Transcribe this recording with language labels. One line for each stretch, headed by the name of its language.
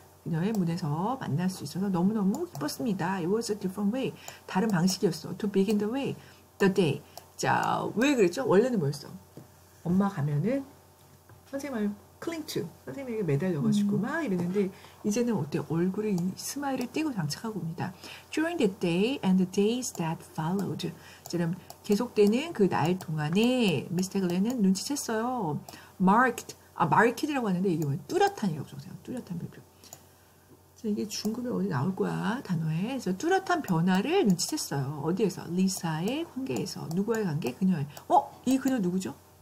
Korean: 그녀의 문에서 만날 수 있어서 너무너무 기뻤습니다.
English: It was a different way.
Korean: 다른 방식이었어.
English: To begin the way. The day.
Korean: 자, 왜 그랬죠? 원래는 뭐였어? 엄마 가면은 선생님을 cling to. 선생님에게 매달려가지고 막 이랬는데 이제는 어때요? 얼굴에 스마일을 띄고 장착하고 옵니다.
English: During the day and the days that followed.
Korean: 그럼 계속되는 그 날 동안에 미스 태글리아는 눈치챘어요.
English: Marked.
Korean: 아, marked이라고 하는데 이게 뭐예요? 뚜렷한 이라고 적으세요. 뚜렷한 표현. 이게 중급에 어디 나올 거야, 단어에. 그래서 뚜렷한 변화를 눈치챘어요. 어디에서? 리사의 관계에서. 누구와의 관계? 그녀의. 어? 이 그녀 누구죠?